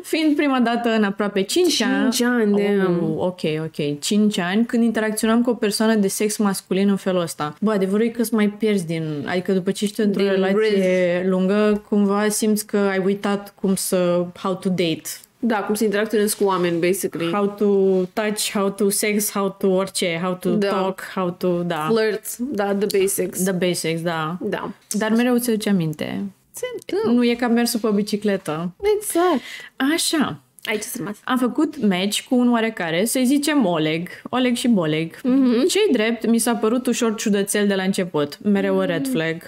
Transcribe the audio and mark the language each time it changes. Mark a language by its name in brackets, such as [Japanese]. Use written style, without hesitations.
[Romanian] Fiind prima dată în aproape 5 ani. Ok. 5 ani când interacționam cu o persoană de sex masculin în felul ăsta. Bă, adevărul e că îți mai pierzi din... Adică după ce ești într-o relație lungă, cumva simți că ai uitat cum să... [English] How to date. [Romanian] Da, cum să interacționezi cu oameni, basically. [English] How to touch, how to sex, how to orice, how to talk, how to... [Romanian] Da. [English] Flirt, da, the basics. The basics, da. [Romanian] Da. Dar mereu îți aduce aminte. Nu e ca mersul pe bicicletă. Exact. Așa. Aici s-a rămas. Am făcut match cu un oarecare, să-i zicem Oleg. Oleg și Boleg. Mm-hmm. Ce-i drept, mi s-a părut ușor ciudățel de la început. Mereu o red flag.